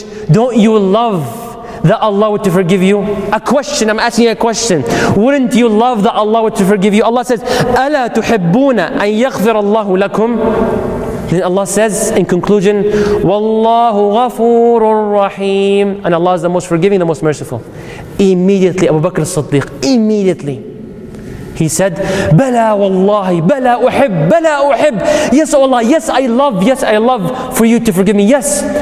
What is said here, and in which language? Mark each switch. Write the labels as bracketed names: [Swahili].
[English] Don't you love that Allah would to forgive you? A question, I'm asking you a question. Wouldn't you love that Allah would to forgive you? Allah says, [Arabic] ألا تحبون أن يغفر الله لكم. [English] Then Allah says in conclusion, [Arabic] وَاللَّهُ غَفُورٌ رَّحِيمٌ. [English] And Allah is the most forgiving, the most merciful. Immediately, Abu Bakr as-Siddiq, immediately, he said, [Arabic] بَلَا وَاللَّهِ بَلَا أُحِبْ بَلَا أُحِبْ. [English] Yes, oh Allah, yes, I love for you to forgive me, yes.